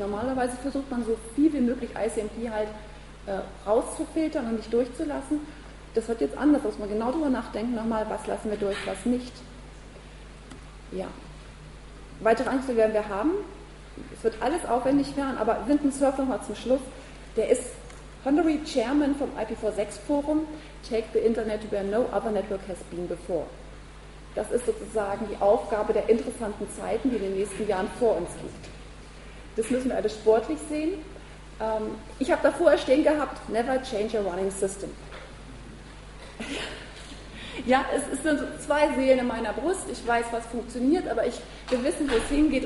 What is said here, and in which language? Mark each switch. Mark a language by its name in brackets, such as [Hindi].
[German] Normalerweise versucht man so viel wie möglich ICMP halt rauszufiltern und nicht durchzulassen. Das wird jetzt anders, muss man genau darüber nachdenken, nochmal, was lassen wir durch, was nicht. Ja. Weitere Angst werden wir haben. Es wird alles aufwendig werden, aber Vinton Cerf nochmal zum Schluss. Der ist Honorary Chairman vom IPv6-Forum. [English] Take the Internet where no other network has been before. [German] Das ist sozusagen die Aufgabe der interessanten Zeiten, die in den nächsten Jahren vor uns liegt. Das müssen wir alle sportlich sehen. Ich habe da vorher stehen gehabt, [English] never change a running system. [German] Ja, es sind so zwei Seelen in meiner Brust. Ich weiß, was funktioniert, aber wir wissen, wo es hingeht.